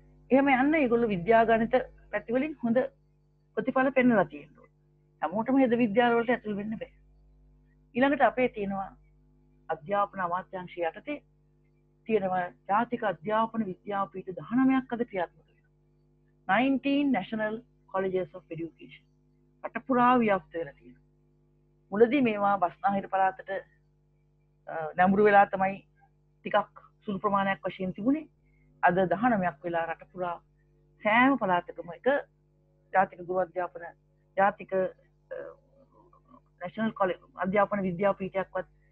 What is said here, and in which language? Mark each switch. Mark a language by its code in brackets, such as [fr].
[si] එහෙම යන්න ඒගොල්ලෝ විද්‍යාගණිත පැති වලින් හොඳ ප්‍රතිඵල පෙන්නලා තියෙනවා. හැමෝටම හෙද විද්‍යාල වලට ඇතුළු වෙන්න බෑ. ඊළඟට අපේ තියෙනවා අධ්‍යාපන අමාත්‍යාංශය යටතේ තියෙනවා ජාතික අධ්‍යාපන විද්‍යාපීඨ 19ක් අද ක්‍රියාත්මක වෙනවා. [en] 19 National Colleges of Education. [si] රට පුරා ව්‍යාප්ත වෙලා තියෙනවා. මුලදී මේවා බස්නාහිර පළාතට නැඹුරු වෙලා තමයි ටිකක් සුළු ප්‍රමාණයක් වශයෙන් තිබුණේ. අද 19ක් වෙලා රට පුරා සෑම පළාතකම එක ජාතික ගුරු අධ්‍යාපන ජාතික නැෂනල් කොලෙජ් අධ්‍යාපන විද්‍යාපීඨයක්වත්